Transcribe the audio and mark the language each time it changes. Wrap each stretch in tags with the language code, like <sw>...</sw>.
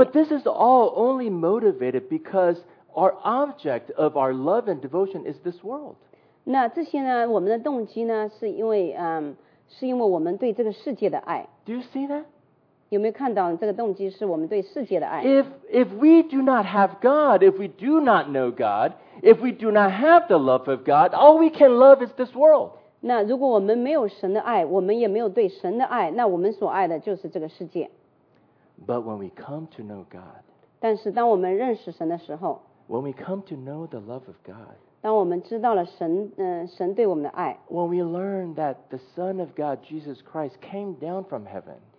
<en>But this is all only motivated because our object of our love and devotion is this world.</en> <zh>那这些呢，我们的动机呢，是因为我们对这个世界的爱。</zh> <en>Do you see that?</en> <zh>有没有看到这个动机是我们对世界的爱？</zh> <en>If we do not have God, if we do not know God, if we do not have the love of God, all we can love is this world.</en> <zh>那如果我们没有神的爱，我们也没有对神的爱，那我们所爱的就是这个世界。</zh> <en>But when we come to know God,</en> <zh>但是当我们认识神的时候，</zh> <en>when we come to know the love of God,</en> <zh>当我们知道了神对我们的爱，</zh> <en>when we learn that the Son of God, Jesus Christ, came down from heaven,</en>